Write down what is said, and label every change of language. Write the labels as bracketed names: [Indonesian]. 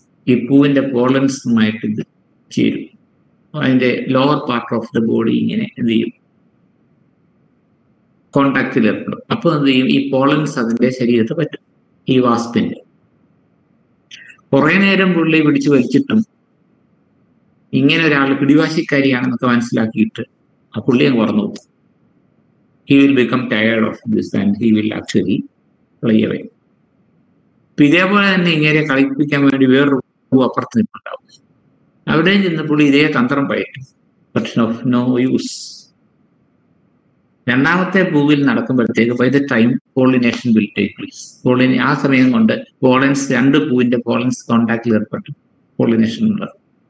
[Malayalam] ഈ പൂവിന്റെ പോളൻസുമായിട്ട് ഇത് ചേരും, അതിന്റെ [English] lower part of the body [Malayalam] ഇങ്ങനെ എന്ത് ചെയ്യും, കോണ്ടാക്ടിൽ ഏർപ്പെടും. അപ്പൊ എന്ത് ചെയ്യും, ഈ പോളൻസ് അതിന്റെ ശരീരത്തെ പറ്റും, ഈ വാസ്പിന്റെ. കുറെ നേരം പുള്ളി പിടിച്ചു വലിച്ചിട്ടും ഇങ്ങനെ ഒരാൾ പിടിവാശിക്കാരിയാണെന്നൊക്കെ മനസ്സിലാക്കിയിട്ട് ആ പുള്ളി അങ്ങ് പറഞ്ഞു പോകും. [English] He will become tired of this and he will actually play away. [Malayalam] ഇതേപോലെ തന്നെ ഇങ്ങനെ കളിപ്പിക്കാൻ വേണ്ടി വേറൊരു പൂ അപ്പുറത്ത് നിന്നുണ്ടാവും, അവിടെ നിന്ന് പുള്ളി ഇതേ തന്ത്രം പയറ്റും, [English] But of no use. [Malayalam] രണ്ടാമത്തെ പൂവിൽ നടക്കുമ്പോഴത്തേക്ക് [English] by the time pollination will take place, [Malayalam] ആ സമയം കൊണ്ട് പോളൻസ്, രണ്ട് പൂവിന്റെ പോളൻസ് കോണ്ടാക്ടിൽ ഏർപ്പെട്ട് പോളിനേഷൻ ഉണ്ടാകും.